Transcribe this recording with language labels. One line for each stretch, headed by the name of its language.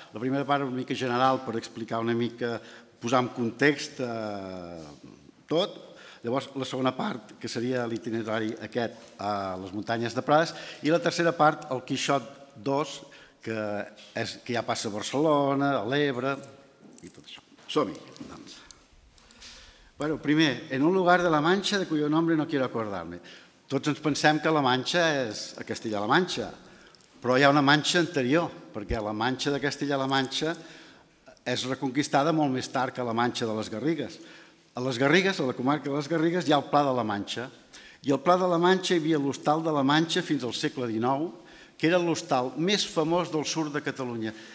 Catalan: La primera part una mica general per explicar una mica, posar en context tot. Llavors, la segona part, que seria l'itinerari aquest a les muntanyes de Prades. I la tercera part, el Quixot 2, que ja passa a Barcelona, a l'Ebre i tot això. Som-hi, doncs.
Spanish: Bueno, primer, en un lugar de la Manxa, de cuyo nombre no quiero acordarme.
Catalan: Tots ens pensem que la Manxa és a Castilla-La Manxa, però hi ha una Manxa anterior, perquè la Manxa de Castilla-La Manxa és reconquistada molt més tard que la Manxa de les Garrigues. A les Garrigues, a la comarca de les Garrigues, hi ha el Pla de la Manxa. I al Pla de la Manxa hi havia l'Hostal de la Manxa fins al segle XIX, que era l'hostal més famós del sud de Catalunya.